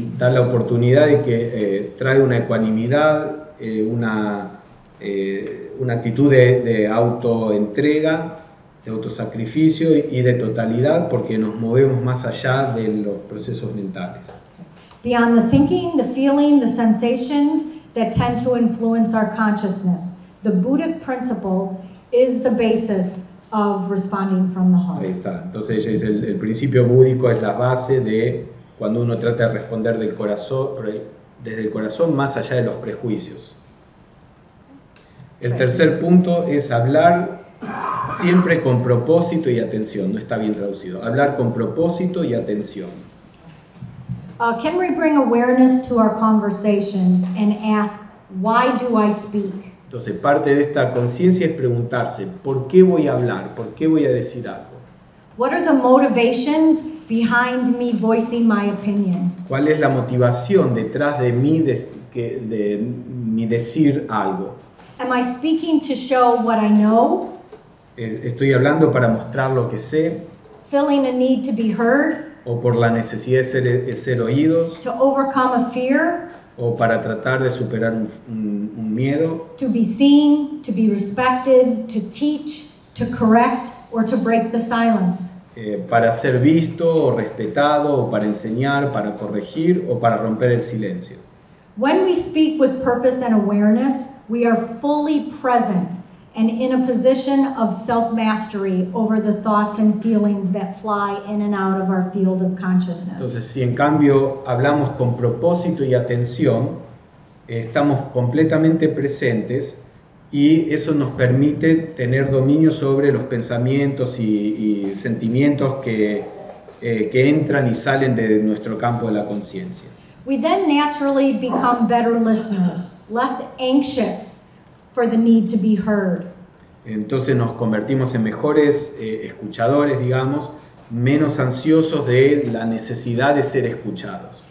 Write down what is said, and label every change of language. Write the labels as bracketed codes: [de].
[es] Da la oportunidad de que trae una ecuanimidad, una actitud de autoentrega, de autosacrificio y de totalidad porque nos movemos más allá de los procesos mentales. [en] Beyond the thinking, the feeling, the sensations that tend to influence our consciousness, the Buddhic principle is the basis of responding from the heart. [es] Ahí está. Entonces ella dice, el principio búdico es la base de cuando uno trata de responder del corazón, desde el corazón más allá de los prejuicios. El tercer punto es hablar siempre con propósito y atención. No está bien traducido. Hablar con propósito y atención. [en] Can we bring awareness to our conversations and ask, why do I speak? [es] Entonces, parte de esta conciencia es preguntarse, ¿por qué voy a hablar? ¿Por qué voy a decir algo? [en] What are the motivations behind me voicing my opinion? [es] ¿Cuál es la motivación detrás de mí de mi decir algo? [en] Am I speaking to show what I know? [es] ¿Estoy hablando para mostrar lo que sé? [en] Feeling a need to be heard? [es] ¿O por la necesidad de ser oídos? [en] To overcome a fear? [es] ¿O para tratar de superar un miedo? [en] To be seen, to be respected, to teach, to correct, or to break the silence? [es] Para ser visto o respetado, o para enseñar, para corregir, o para romper el silencio. [en] When we speak with purpose and awareness, we are fully present and in a position of self-mastery over the thoughts and feelings that fly in and out of our field of consciousness. [es] Entonces, si en cambio hablamos con propósito y atención, estamos completamente presentes. Y eso nos permite tener dominio sobre los pensamientos y sentimientos que entran y salen de nuestro campo de la conciencia. [en] We then naturally become better listeners, less anxious for the need to be heard. [es] Entonces nos convertimos en mejores escuchadores, digamos, menos ansiosos de la necesidad de ser escuchados.